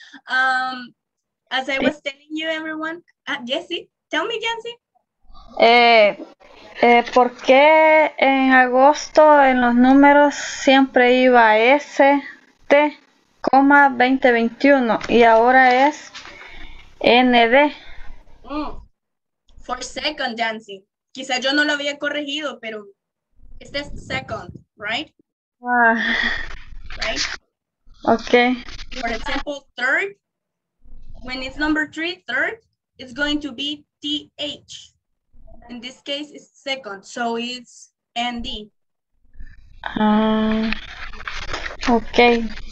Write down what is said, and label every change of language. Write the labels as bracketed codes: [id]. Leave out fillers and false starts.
[en] As I was telling you, everyone, Jesse, tell me, Jesse. [es] ¿Por qué en agosto en los números siempre iba ST, 2021 y ahora es ND? [en] For second, Jancy. [es] Quizá yo no lo había corregido, pero este es second, right? [en] Right? Okay. For example, third, when it's number 3, third, it's going to be TH. In this case, it's second, so it's ND. Okay.